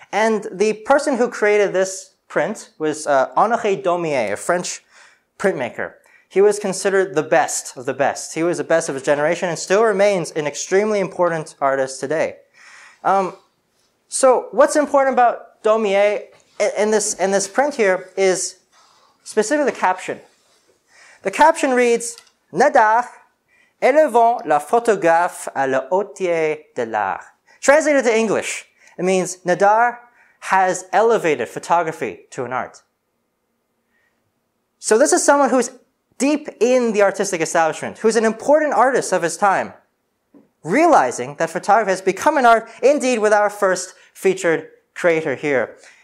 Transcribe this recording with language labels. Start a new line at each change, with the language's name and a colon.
English: And the person who created this print was Honoré Daumier, a French printmaker. He was considered the best of the best. He was the best of his generation and still remains an extremely important artist today. So what's important about Daumier in this print here is specifically the caption. The caption reads,
French: Nadar, élevant la photographe à la hauteur de l'art.
English: Translated to English, it means Nadar has elevated photography to an art. So this is someone who's deep in the artistic establishment, who's an important artist of his time, realizing that photography has become an art, indeed, with our first featured creator here.